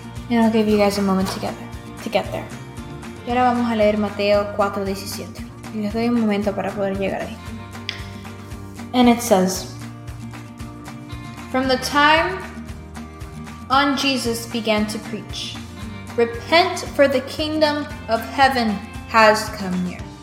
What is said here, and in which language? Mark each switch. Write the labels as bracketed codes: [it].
[en] And I'll give you guys a moment to get there. [es] Y ahora vamos a leer Mateo 4:17. Y les doy un momento para poder llegar ahí. [en] And it says, from the time on Jesus began to preach, repent, for the kingdom of heaven has come near.